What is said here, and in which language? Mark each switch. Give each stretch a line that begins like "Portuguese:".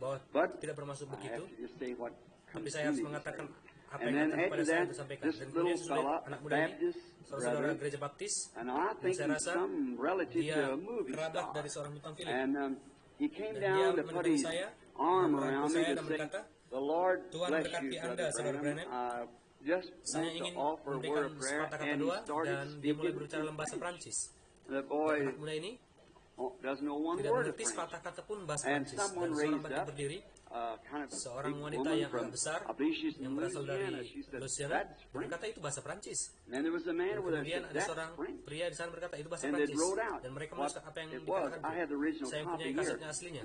Indonesian: bahwa tidak bermaksud begitu. Tapi saya harus mengatakan apa yang datang kepada saya untuk sampaikan. Dan kemudian sudah anak muda ini, saudara gereja Baptis, dan saya rasa dia kerabat dari seorang bintang film.
English: He came down to put his arm around me and said, "The Lord bless you, Brother Branham. I just want to offer a word of prayer." And he started speaking in French. The boy doesn't know one word of French. And someone raised up.
Indonesian: Seorang wanita yang agak besar yang berasal dari Louisiana berkata itu bahasa Perancis. Kemudian ada seorang pria di sana berkata itu bahasa Perancis, dan mereka menulis apa yang dikatakan. Saya punya kasetnya aslinya.